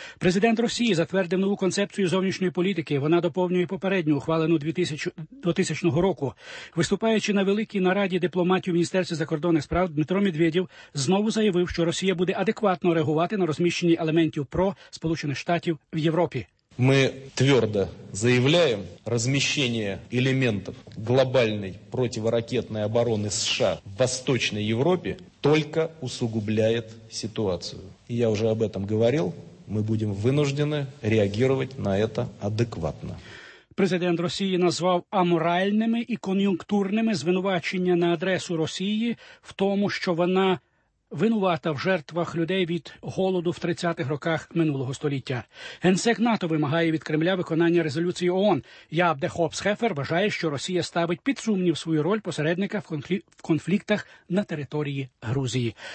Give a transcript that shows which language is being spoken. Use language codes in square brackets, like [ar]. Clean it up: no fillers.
[uk] Президент Росії затвердив нову концепцію зовнішньої політики. Вона доповнює попередню, ухвалену 2000 року. Виступаючи на великій нараді дипломатів Міністерства закордонних справ, Дмитро Медведєв знову заявив, що Росія буде адекватно реагувати на розміщення елементів ПРО Сполучених Штатів в Європі. [ru] Ми твердо заявляем размещение элементов глобальной противоракетной обороны США в Восточной Европе только усугубляет ситуацию. Я уже об этом говорил. Мы будем вынуждены реагировать на это адекватно. [uk] Президент Росії назвав аморальними і кон'юнктурними звинувачення на адресу Росії в тому, що вона винувата в жертвах людей від голоду в 30-х роках минулого століття. Генсек НАТО вимагає від Кремля виконання резолюції ООН. Ябде Хопсхефер вважає, що Росія ставить під сумнів свою роль посередника в конфліктах на території Грузії.